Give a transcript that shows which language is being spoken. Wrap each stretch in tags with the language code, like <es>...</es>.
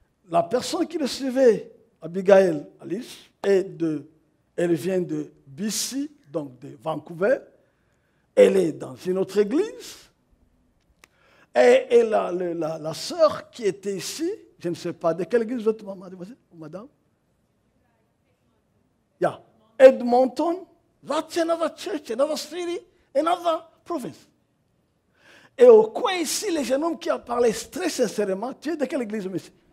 <fr>La personne qui le suivait, Abigail Alice, elle vient de BC, donc de Vancouver. Elle est dans une autre église. Et la sœur qui était ici, je ne sais pas de quelle église, votre maman, madame.</fr> <en>Yeah. Edmonton, that's another church, another city, another province.</en> <fr>Et au coin ici, le jeune homme qui a parlé très sincèrement, tu es de quelle église, monsieur?</fr>